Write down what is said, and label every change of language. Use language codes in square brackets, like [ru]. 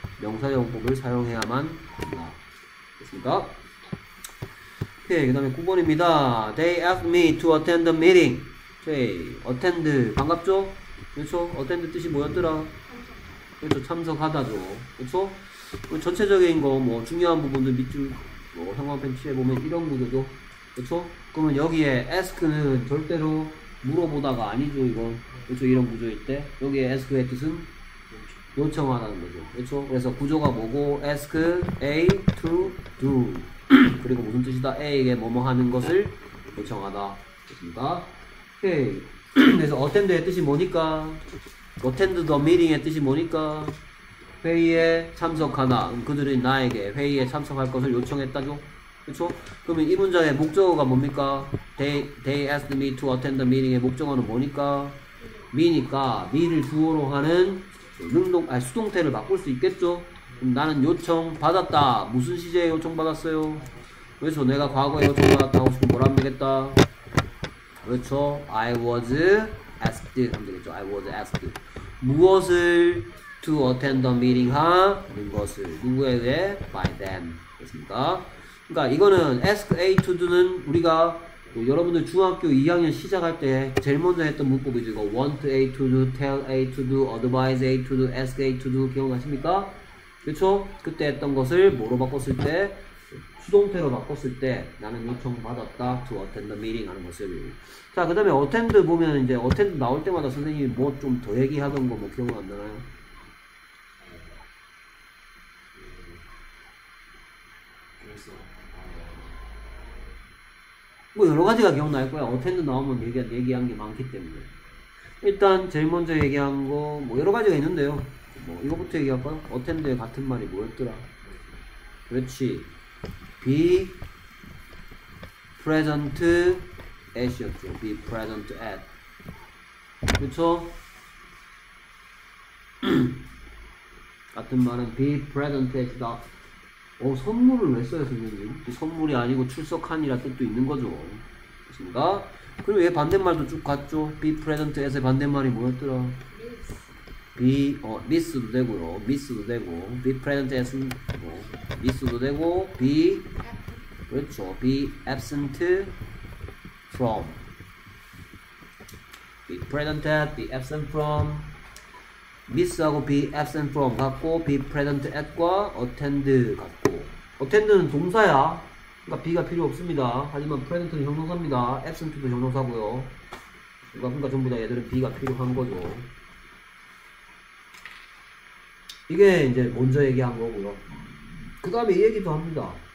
[ko] 명사정법을 사용해야만 한다. 됐습니까? 오케이, 그 다음에 9번입니다. [en] They asked me to attend the meeting. [ko] 오케이, attend, 반갑죠? 그렇죠? attend 뜻이 뭐였더라? 그렇죠, 참석하다죠. 그렇죠? 전체적인 거, 뭐, 중요한 부분들 밑줄, 뭐, 형광펜 취해보면 이런 구조죠. 그렇죠? 그러면 여기에 ask는 절대로 물어보다가 아니죠, 이건. 그렇죠? 이런 구조일 때. 여기에 ask의 뜻은 요청하다는 거죠. 그렇죠? 그래서 구조가 뭐고, ask A to do. 그리고 무슨 뜻이다? A에게 뭐뭐 하는 것을 요청하다. 그렇습니까? 오케이. 그래서 attend의 뜻이 뭐니까? attend the meeting의 뜻이 뭐니까? 회의에 참석하나. 그들이 나에게 회의에 참석할 것을 요청했다죠. 그렇죠? 그러면 이 문장의 목적어가 뭡니까? They asked me to attend the meeting의 목적어는 뭐니까? me니까 me를 주어로 하는 능동 아니 수동태를 바꿀 수 있겠죠. 그럼 나는 요청 받았다. 무슨 시제에 요청 받았어요? 그래서 내가 과거에 요청 받았다고 지금 뭐라 하면 되겠다. 그렇죠. [en] I was asked. [ko] 하면 되겠죠. [en] I was asked. [ko] 무엇을 [en] to attend the meeting [ko] 하는 것을. 누구에 의해? [en] By them. [ko] 됐습니까? 그러니까 이거는 ask A to do는 우리가 여러분들 중학교 2학년 시작할 때 제일 먼저 했던 문법이죠. 이거 [en] want A to do, tell A to do, advise A to do, ask A to do. [ko] 기억나십니까? 그렇죠? 그때 했던 것을 뭐로 바꿨을 때? 수동태로 바꿨을 때 나는 요청받았다 to attend the meeting 하는 것을. 자, 그 다음에 attend 보면 이제 attend 나올 때마다 선생님이 뭐 좀 더 얘기하던 거 뭐 기억 안 나나요? 뭐 여러 가지가 기억날 거야. attend 나오면 얘기한 게 많기 때문에. 일단 제일 먼저 얘기한 거 뭐 여러 가지가 있는데요. 뭐 이거부터 얘기할까요? attend의 같은 말이 뭐였더라? 그렇지. [en] Be present at였죠. Be present at. 그렇죠? [ko] 같은 말은 be present at이다. 선물을 왜 써요, 선생님? 선물이 아니고 출석한이라 뜻도 있는 거죠. 그렇습니까? 그리고 얘 반대말도 쭉 갔죠. Be present at의 반대말이 뭐였더라? miss도 되고요. miss도 되고. [en] be present as, 뭐, miss도 되고. be, [ko] 그렇죠. [en] be absent from. be present at, be absent from. miss하고 be absent from 같고, be present at과 attend 같고. [ko] attend는 동사야. 그러니까 be가 필요 없습니다. 하지만 present는 형용사입니다. absent도 형용사고요. 그러니까 전부 다 얘들은 be가 필요한 거죠. 이게 이제 먼저 얘기한 거고요. 그 다음에 이 얘기도 합니다.